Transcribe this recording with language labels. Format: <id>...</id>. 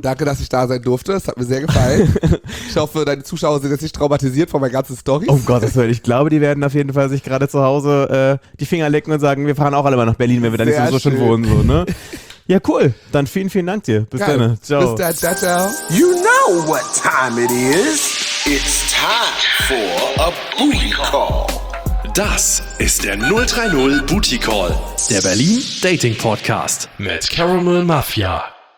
<de>Danke, dass ich da sein durfte. Es hat mir sehr gefallen. Ich hoffe, deine Zuschauer sind jetzt nicht traumatisiert von meinen ganzen Storys. Oh Gott, das will ich. Glaube, die werden auf jeden Fall sich gerade zu Hause die Finger lecken und sagen, wir fahren auch alle mal nach Berlin, wenn wir da nicht so schön wohnen. So, ne? Ja, cool. Dann vielen, vielen Dank dir. Bis dann. Ciao. Bis dann. Ciao, ciao.</de> <en>You know what time it is. It's time for a booty call.</en> <de>Das ist der 030 Booty Call. Der Berlin Dating Podcast mit Caramel Mafia.</de>